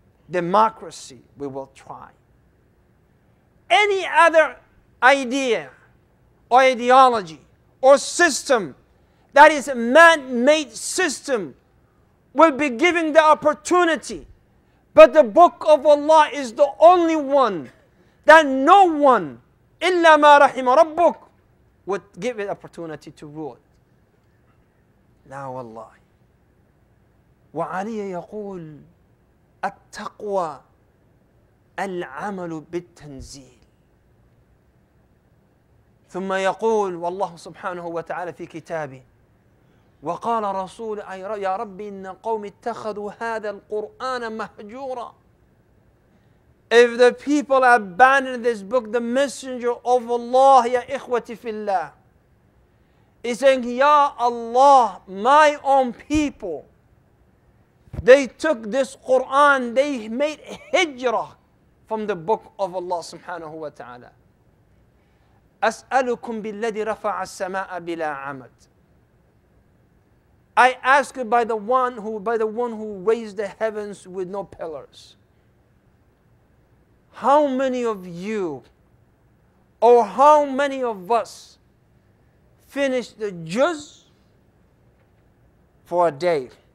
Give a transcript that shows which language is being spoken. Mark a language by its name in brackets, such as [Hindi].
[English] Democracy, we will try. Any other idea or ideology or system that is a man-made system will be given the opportunity. But the book of Allah is the only one that no one, [Arabic] إلا ما رحم ربك, [English] would give it opportunity to rule. [Arabic] لا والله. وعلي يقول التقوى العمل بالتنزيل. ثم يقول والله سبحانه وتعالى في كتابه وقال رسول يا ربي إن قوم اتخذوا هذا القرآن مهجورا. [English] If the people abandon this book, the messenger of Allah, [Arabic] يا إخوتي في الله, [English] is saying, [Arabic] يا الله, [English] my own people, they took this Quran, they made hijrah from the book of Allah subhanahu wa ta'ala. [Arabic] أسألكم بالذي رفع السماء بلا عمد. [English] I ask you by the one who raised the heavens with no pillars. How many of you, or how many of us, finished the juz for a day?